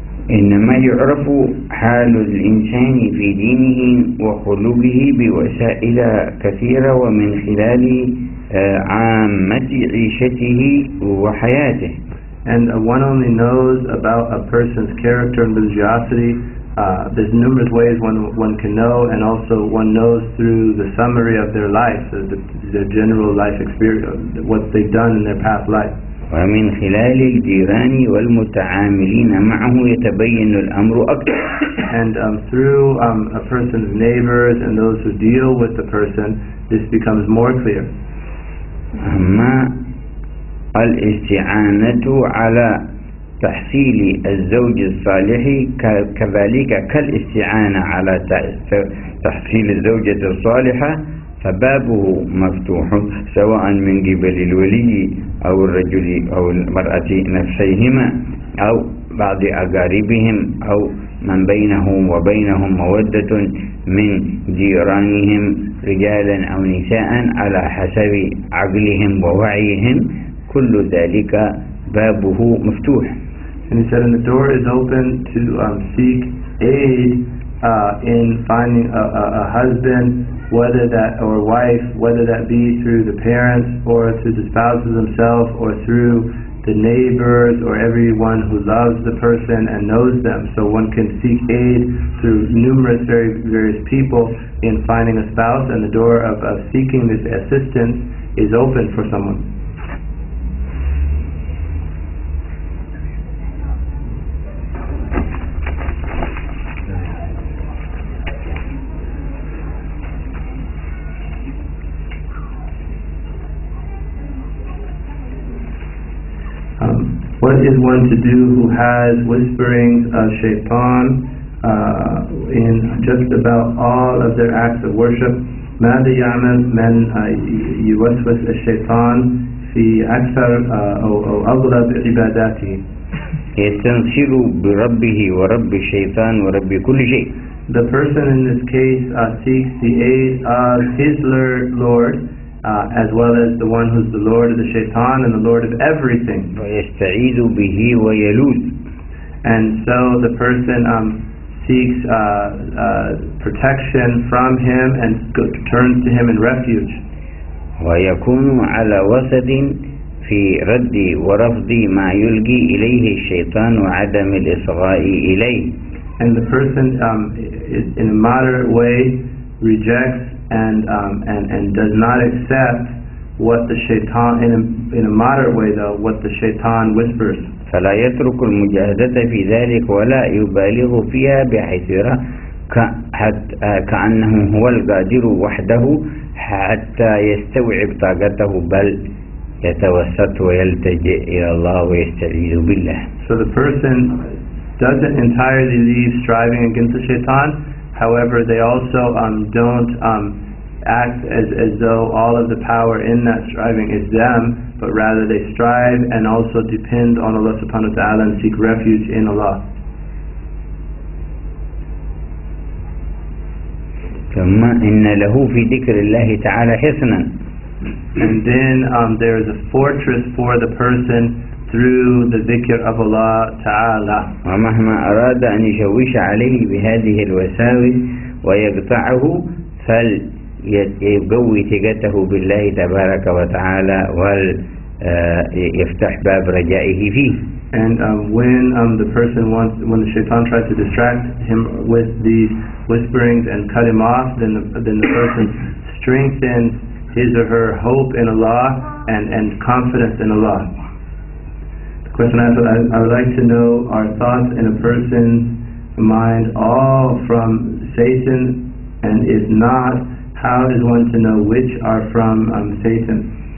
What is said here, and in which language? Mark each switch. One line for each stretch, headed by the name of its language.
Arabic: إنما يعرف حال الإنسان في دينه وخلقه بوسائل كثيرة ومن خلال عامة عيشته وحياته.
English: And one only knows about a person's character and religiosity. There's numerous ways one can know, and also one knows through the summary of their life, so their general life experience, what they've done in their past life.
Arabic: ومن خلال الجيران والمتعاملين معه يتبين الأمر أكثر.
English: And through a person's neighbors and those who deal with the person, this becomes more clear.
Arabic: أما الاستعانة على تحصيل الزوج الصالح كذلك كالاستعانة على تحصيل الزوجة الصالحة فبابه مفتوح سواء من قبل الولي أو الرجل أو المرأة نفسيهما أو بعض أقاربهم أو من بينهم وبينهم مودة من جيرانهم رجالا أو نساء على حسب عقلهم ووعيهم كل ذلك بابه مفتوح.
English: And he said, and the door is open to seek aid in finding a husband, whether that or wife, whether that be through the parents or through the spouses themselves or through the neighbors or everyone who loves the person and knows them. So one can seek aid through numerous various people in finding a spouse, and the door of seeking this assistance is open for someone. What is one to do who has whisperings of shaitan in just about all of their acts of worship?
Arabic: ماذا يعمل من يوسوس الشيطان في أكثر أو أغلب عباداته؟ يستنصر بربه ورب الشيطان ورب كل شيء.
English: The person in this case seeks the aid of his Lord as well as the one who's the Lord of the Shaitan and the Lord of everything.
Arabic: وَيَسْتَعِيذُ بِهِ وَيَلُوذُ.
English: And so the person seeks protection from him and turns to him in refuge.
Arabic: وَيَكُونُ عَلَى وَسَدٍ فِي رَدِّي وَرَفْضِي مَا يُلْقِي إِلَيْهِ الشَّيْطَانُ وَعَدَمِ الْإِصْغَاءِ إِلَيْهِ.
English: And the person in a moderate way rejects and does not accept what the shaitan in a moderate way though what the shaitan whispers.
Arabic: فلا يترك المجاهدة في ذلك ولا يبالغ فيها بحسرة كأنه هو القادر وحده حتى يستوعب طاقته بل يتوسط ويلتجئ إلى الله ويستعيذ بالله.
English: So the person doesn't entirely leave striving against the shaitan. However, they also don't act as though all of the power in that striving is them, but rather they strive and also depend on Allah subhanahu wa ta'ala and seek refuge in Allah.
Arabic: ثم إن له في ذكر الله تعالى حصنا.
English: And then there is a fortress for the person through the dhikr of Allah ta'ala.
Arabic: ومهما أراد أن يشوش عليه بهذه الوساوس ويقطعه فل يقوي ثقته بالله تبارك وتعالى ويفتح باب رجائه فيه.
English: And when the shaitan tries to distract him with these whisperings and cut him off, then the person strengthens his or her hope in Allah and confidence in Allah. The question I would like to know our thoughts in a person's mind all from Satan, and if not, how does one to know which are from Satan?